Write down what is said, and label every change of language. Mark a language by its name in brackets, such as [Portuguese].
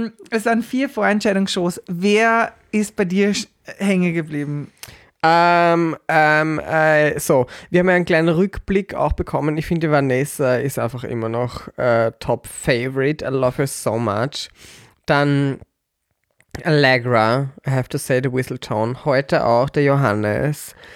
[German] Es waren 4 Vorentscheidungsshows. Wer ist bei dir hängen geblieben? Wir haben ja einen kleinen Rückblick auch bekommen. Ich finde, Vanessa ist einfach immer noch [English] top favorite. I love her so much. Dann Allegra, I have to say the whistle tone. [German] Heute auch der Johannes.